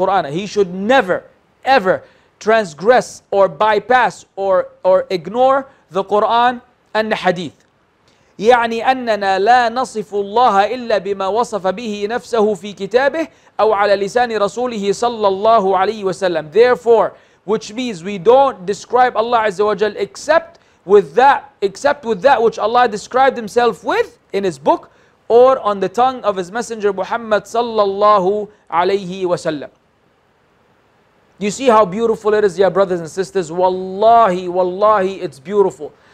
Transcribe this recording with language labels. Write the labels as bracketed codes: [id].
[en] He should never ever transgress or bypass or ignore the Quran and the Hadith. [ar] يعني أننا لا نصف الله إلا بما وصف به نفسه في كتابه أو على لسان رسوله صلى الله عليه وسلم. [en] Therefore, which means we don't describe Allah Azza wa Jal except with that which Allah described Himself with in His book or on the tongue of His Messenger Muhammad صلى الله عليه وسلم. You see how beautiful it is, yeah, brothers and sisters. Wallahi, wallahi, it's beautiful.